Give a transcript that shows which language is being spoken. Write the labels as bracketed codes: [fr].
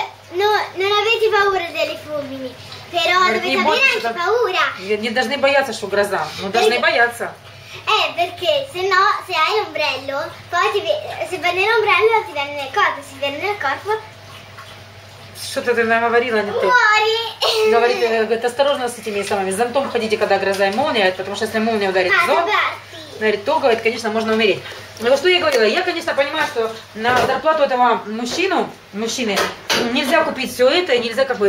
[it] Non avete paura delle fulmini, però dovete avere anche paura. [ru] Не должны бояться, что гроза, но должны бояться. [it] Perché se no, se hai ombrello, poi ti, se prendi l'ombrello ti viene nel corpo, se viene nel corpo... [ru] Что-то ты нам говорила, не ты. Говорит, говорит, осторожно с этими самыми. С зонтом ходите, когда гроза и молния, потому что если молния ударит то, говорит, конечно, можно умереть. Но что я говорила? Я, конечно, понимаю, что на зарплату этого мужчины, нельзя купить все это, нельзя как бы.